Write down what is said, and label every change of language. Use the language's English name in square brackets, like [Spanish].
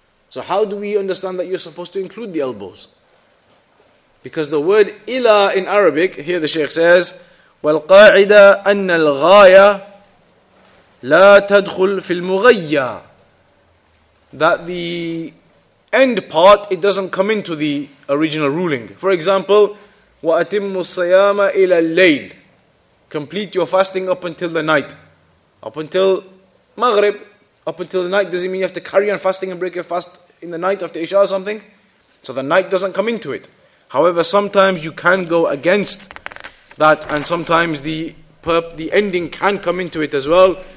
[English] So how do we understand that you're supposed to include the elbows? Because the word ila in Arabic, here the Shaykh says, [Arabic] وَالْقَاعِدَ أَنَّ الْغَايَ لَا تَدْخُلْ فِي الْمُغَيَّةِ. [English] That the end part, it doesn't come into the original ruling. For example, [Arabic] وَأَتِمُّ الصَّيَامَ إِلَى اللَّيْلِ. [English] Complete your fasting up until the night. Up until Maghrib, up until the night. Does it mean you have to carry on fasting and break your fast in the night after Isha or something? So the night doesn't come into it. However, sometimes you can go against that, and sometimes the ending can come into it as well.